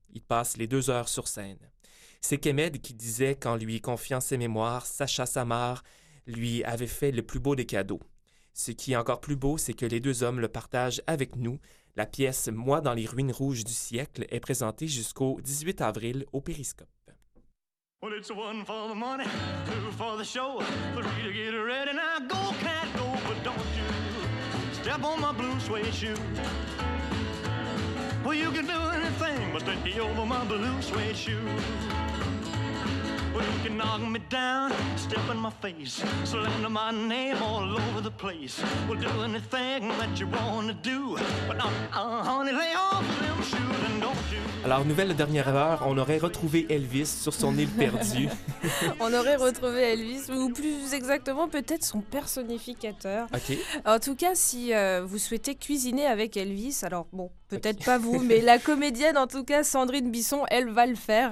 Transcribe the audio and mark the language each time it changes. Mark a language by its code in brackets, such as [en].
[fr] Il passe les deux heures sur scène. C'est Quémède qui disait qu'en lui confiant ses mémoires, Sacha Samar lui avait fait le plus beau des cadeaux. Ce qui est encore plus beau, c'est que les deux hommes le partagent avec nous. La pièce « Moi dans les ruines rouges du siècle » est présentée jusqu'au 18 avril au Périscope. [en] Well, it's one for the money, two for the show. Three to get ready, now go, cat, go. But don't you step on my blue suede shoe. Well, you can do anything but take me over my blue suede shoe. Well, you can knock me down, step in my face, slander my name all over the place. Well, do anything that you want to do, but not, honey, lay off them. [fr] Alors, nouvelle dernière heure, on aurait retrouvé Elvis sur son île perdue. On aurait retrouvé Elvis, ou plus exactement, peut-être son personnificateur. OK. En tout cas, si vous souhaitez cuisiner avec Elvis, alors bon, peut-être okay. pas vous, mais la comédienne, en tout cas, Sandrine Bisson, elle va le faire.